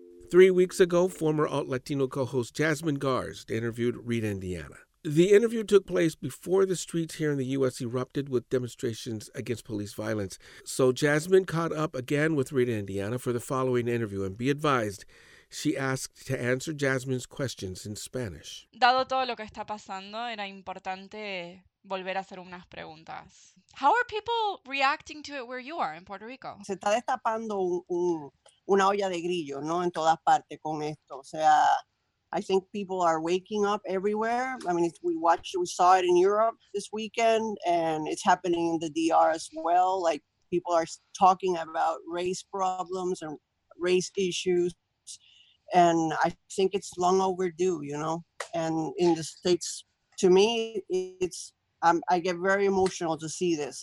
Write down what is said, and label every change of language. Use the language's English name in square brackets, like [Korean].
[English] Three weeks ago, former Alt-Latino co-host Jasmine Garz interviewed Rita Indiana. The interview took place before the streets here in the U.S. erupted with demonstrations against police violence. So Jasmine caught up again with Rita Indiana for the following interview. And be advised, she asked to answer Jasmine's questions in Spanish. [Spanish] Dado todo lo que está pasando, era importante volver a hacer unas preguntas. [English] How are people reacting to it where you are in Puerto Rico? [Spanish] Se está destapando una olla de grillo, ¿no? En todas partes con esto. O sea, [English] I think people are waking up everywhere. I mean, we saw it in Europe this weekend, and it's happening in the DR as well. Like, people are talking about race problems and race issues. And I think it's long overdue, you know? And in the States, to me, I get very emotional to see this.